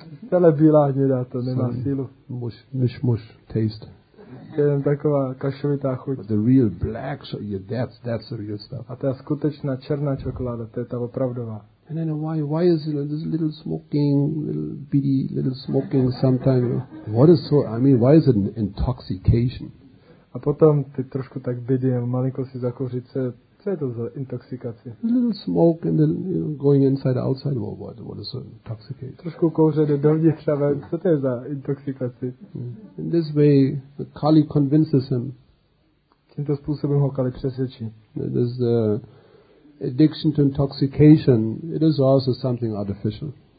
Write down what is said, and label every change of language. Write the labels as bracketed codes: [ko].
[cs] Tohle bílá hnědá, to nemá sílu. [en] Mush taste. [cs] To je taková kašovitá chuť. [en] But the real black, so yeah, that's the real stuff. [cs] A ta skutečná černá čokoláda, to je ta opravdová. [en] And then why is it this little smoking, little smoking sometimes? What is so, I mean, why is it intoxication? [cs] A potom ty trošku tak bidím, malinko si zakouřit, co je to za intoxikace? [en] Little smoke and then, you know, going inside, outside, well, what is so intoxicating? [cs] Trošku kouře dovnitř, co to je za intoxikace? [en] In this way, the Kali convinces him. [cs] Tímto způsobem ho Kali přesvědčí. [en] This addiction to intoxication, it is also something artificial.